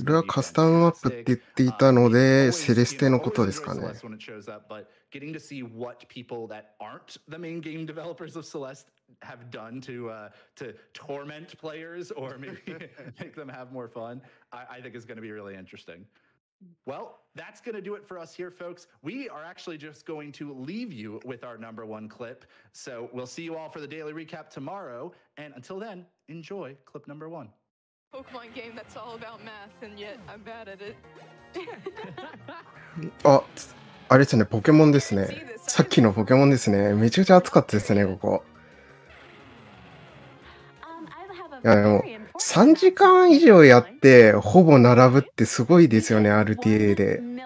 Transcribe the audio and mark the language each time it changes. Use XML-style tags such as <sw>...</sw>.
<ja>それはカスタムマップって言っていたので、セレステのことですかね。</ja> <en>Celeste when it shows up, but getting to see what people that aren't the main game developers of Celeste have done to torment players or maybe make them have more fun, I think is going to be really interesting. Well, that's going to do it for us here, folks. We are actually just going to leave you with our number one clip. So we'll see you all for the daily recap tomorrow. And until then, enjoy clip number one. Pokemon game that's all about math, and yet I'm bad at it.</en> <ja>あれですね、ポケモンですね。さっきのポケモンですね。めちゃくちゃ熱かったですね、ここ。いやでも3時間以上やってほぼ並ぶってすごいですよね、 RTA で。</ja>